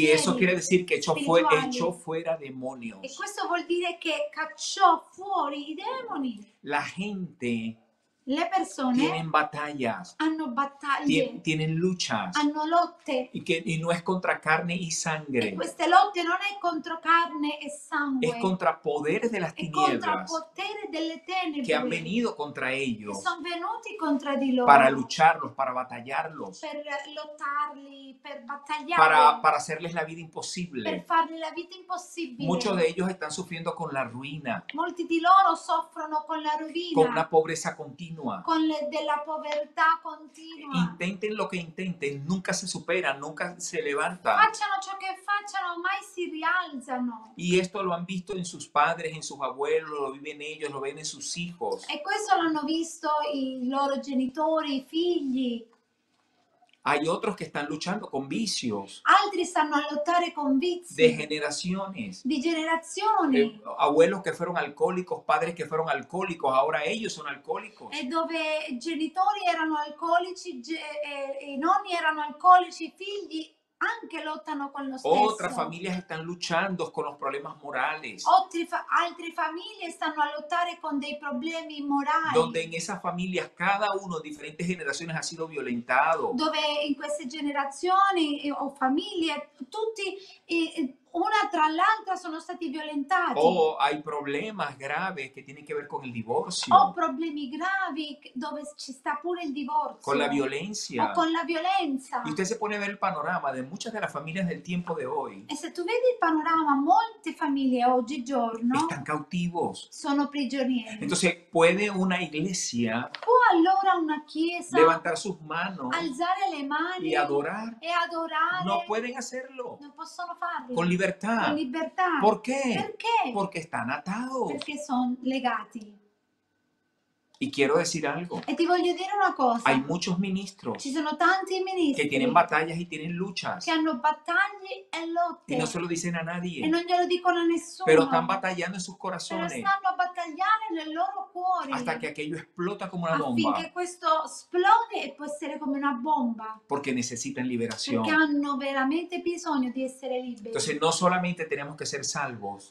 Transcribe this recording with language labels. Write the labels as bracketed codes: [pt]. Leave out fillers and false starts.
[es] Y eso quiere decir que echó fuera demonios. [it] E questo vuol dire che cacciò fuori i demoni. [es] La gente. [it] Le persone [es] tienen batallas, [it] hanno battaglie, [es] tienen luchas, [it] hanno lotte, [es] y no es contra carne y sangre. [it] E queste lotte non è contro carne e sangue. [es] Es contra poderes de las tinieblas. [it] Contro potere delle tenebre. [es] Que han venido contra ellos. [it] Son venuti contro di loro. [es] Para lucharlos, para batallarlos. [it] Per lottarli, per battagliarli. [es] Para hacerles la vida imposible. [it] Per farle la vita impossibile. [es] Muchos de ellos están sufriendo con la ruina. [it] Molti di loro soffrono con la rovina. [es] Con una pobreza continua. [it] Con la povertà continua. [es] Intenten lo que intenten, nunca se superan, nunca se levantan. [it] Facciano ciò che facciano, mai si rialzano. [es] Y esto lo han visto en sus padres, en sus abuelos, lo viven ellos, lo ven en sus hijos. [it] E questo lo hanno visto i loro genitori, i figli. [es] Hay otros que están luchando con vicios. [it] Altri stanno a lottare con vizi. [es] De generaciones. [it] Di generazioni. [es] Abuelos que fueron alcohólicos, padres que fueron alcohólicos, ahora ellos son alcohólicos. [it] E dove genitori erano alcolici, i nonni erano alcolici, figli anche lottano con lo stesso. [es] Otra familia están luchando con los problemas morales. [it] Altre famiglie stanno a lottare con dei problemi morali. [es] Donde en esas familias cada uno de diferentes generaciones ha sido violentado. [it] Dove in queste generazioni o famiglie tutti una tra l'altra sono stati violentati. [es] O hay problemas graves que tienen que ver con el divorcio. [it] O problemi gravi dove ci sta pure il divorzio. [es] Con la violencia. [it] O con la violenza. [es] Y usted se pone a ver el panorama de muchas de las familias del tiempo de hoy. [it] E se tu vedi il panorama, molte famiglie oggigiorno [es] están cautivos. [it] Sono prigionieri. [es] Entonces, ¿puede una iglesia [it] o allora una chiesa [es] levantar sus manos, [it] alzare le mani [es] y adorar? [it] E adorare. [es] No pueden hacerlo. [it] Non possono farlo. [es] Con libertad. Con libertad. ¿Por qué? [it] Perché? [es] Porque están atados. [it] Perché sono legati. [es] Y quiero decir algo. [it] E ti voglio dire una cosa. [es] Hay muchos ministros. [it] Ci sono tanti ministri. [es] Que tienen batallas y tienen luchas. [it] Che hanno battaglie e lotte. [es] Y no se lo dicen a nadie. [it] E non glielo dicono a nessuno. [es] Pero están batallando en sus corazones. [it] Pero stanno a battagliare nel loro cuore. [es] Hasta que aquello explota como una bomba. [it] Affinché questo esplode e può essere come una bomba. [es] Porque necesitan liberación. [it] Perché hanno veramente bisogno di essere liberi. [es] Entonces no solamente tenemos que ser salvos.